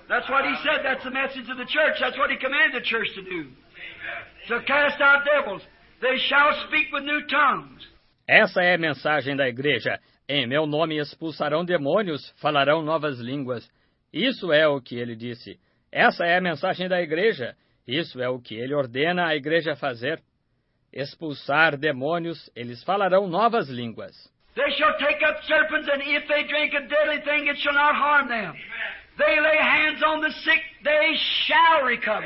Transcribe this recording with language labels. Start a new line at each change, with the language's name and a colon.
English: That's what he said, that's the message of the church, that's what he commanded the church to do. So cast out devils, they shall speak with new tongues.
Portuguese: Essa é a mensagem da igreja. Em meu nome expulsarão demônios, falarão novas línguas. Isso é o que ele disse. Essa é a mensagem da igreja. Isso é o que ele ordena a igreja fazer. Expulsar demônios, eles falarão novas línguas.
English: They shall take up serpents, and if they drink a deadly thing, it shall not harm them. Amen. They lay hands on the sick, they shall recover.